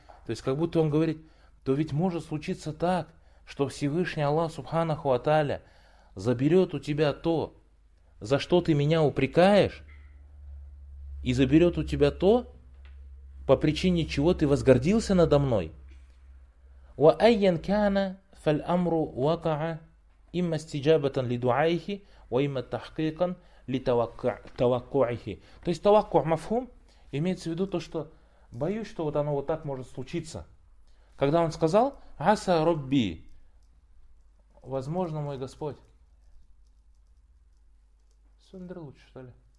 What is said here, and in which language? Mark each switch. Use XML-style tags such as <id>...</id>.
<ru>То есть, как будто он говорит, то ведь может случиться так, что Всевышний Аллах Субханаху ва Тааля заберет у тебя то, за что ты меня упрекаешь, и заберет у тебя то, по причине чего ты возгордился надо мной.</ru> <ar>وَأَيَّنْ كَانَ فَالْأَمْرُ وَقَعَ إِمَّا اسْتِجَابَةً لِدُعَائِهِ وَإِمَّا تَحْقِيقًا Литаваккуахи.</ar> <ru>То есть таваккуах мафхум имеется в виду то, что боюсь, что вот оно вот так может случиться. Когда он сказал аса робби, возможно, мой Господь. Сундер лучше, что ли?</ru>